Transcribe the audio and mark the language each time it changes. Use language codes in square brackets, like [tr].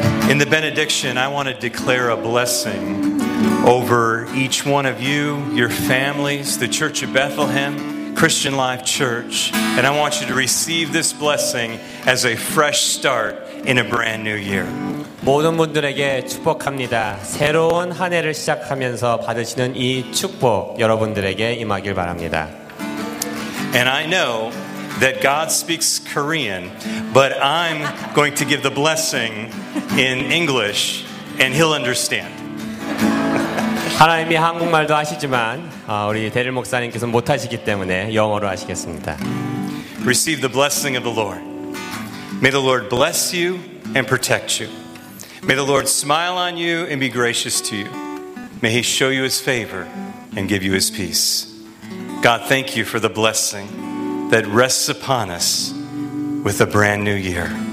[en] In the benediction, I want to declare a blessing over each one of you, your families, the Church of Bethlehem, Christian Life Church, and I want you to receive this blessing as a fresh start in a brand new year. [ko] 모든 분들에게 축복합니다. 새로운 한 해를 시작하면서 받으시는 이 축복 여러분들에게 임하길 바랍니다. [en] And I know that God speaks Korean, but I'm going to give the blessing in English and he'll understand. [ko] 하나님이 한국말도 하시지만 우리 대리 목사님께서 못 하시기 때문에 영어로 하시겠습니다. [en] Receive the blessing of the Lord. May the Lord bless you and protect you. May the Lord smile on you and be gracious to you. May he show you his favor and give you his peace. God, thank you for the blessing that rests upon us with a brand new year.